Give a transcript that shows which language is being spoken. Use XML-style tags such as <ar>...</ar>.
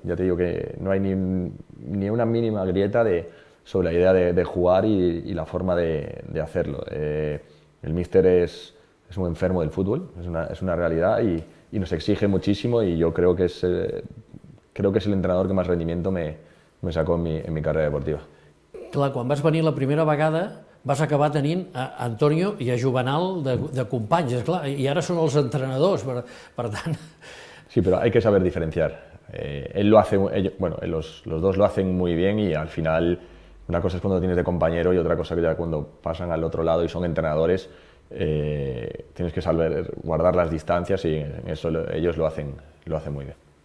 <es>Ya te digo que no hay ni una mínima grieta sobre la idea de jugar y la forma de hacerlo. El míster es un enfermo del fútbol, es una realidad y nos exige muchísimo y yo creo que es... Creo que es el entrenador que más rendimiento me sacó en mi carrera deportiva.</es> <ca>Clar, quan vas venir la primera vegada, vas acabar tenint a Antonio i a Juvenal de companys, esclar, i ara són els entrenadors, per tant...</ca> <es>Sí, pero hay que saber diferenciar. Él lo hace, bueno, los dos lo hacen muy bien y al final una cosa es cuando tienes de compañero y otra cosa que ya cuando pasan al otro lado y son entrenadores, tienes que saber guardar las distancias y eso ellos lo hacen muy bien.</es>